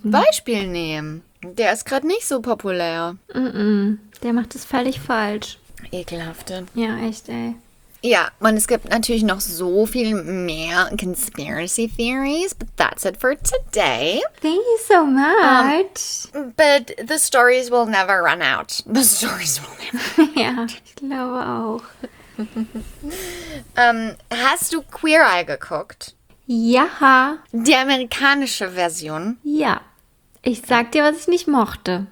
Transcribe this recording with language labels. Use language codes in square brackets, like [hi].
[de] Mal ein Beispiel nehmen. Der ist gerade nicht so populär. Der macht es völlig falsch. Ekelhafte. Ja, echt, ey. Ja, und es gibt natürlich noch so viel mehr Conspiracy Theories, [en] but that's it for today. Thank you so much. But the stories will never run out. The stories will never run out. [de] Ja, ich glaube auch. Hast du Queer Eye geguckt? Ja. Die amerikanische Version? Ja. Ich sag dir, was ich nicht mochte.